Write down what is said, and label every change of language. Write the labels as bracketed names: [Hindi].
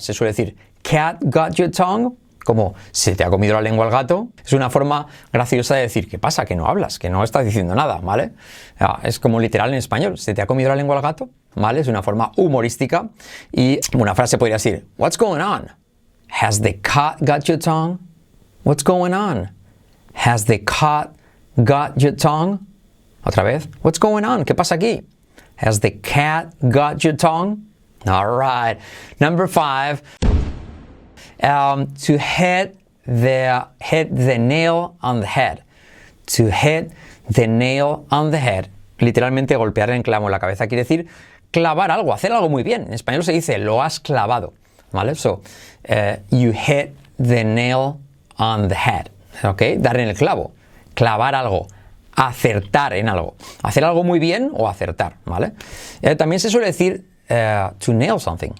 [Spanish] Se suele decir, [English] cat got your tongue, [Spanish] como se te ha comido la lengua al gato. Es una forma graciosa de decir, ¿qué pasa? Que no hablas, que no estás diciendo nada, ¿vale? Es como literal en español, se te ha comido la lengua al gato, ¿vale? Es una forma humorística. Y una frase podría decir, [English] what's going on? Has the cat got your tongue? What's going on? Has the cat got your tongue? Otra vez, what's going on? [Spanish] ¿Qué pasa aquí? [English] Has the cat got your tongue? All right, number five, to hit the nail on the head. To hit the nail on the head. [Spanish] Literalmente golpear el clavo en la cabeza quiere decir clavar algo, hacer algo muy bien. En español se dice lo has clavado, ¿vale? [English] So, you hit the nail on the head, ¿ok? [Spanish] Dar en el clavo, clavar algo. Acertar en algo. Hacer algo muy bien o acertar, ¿vale? También se suele decir [English] to nail something.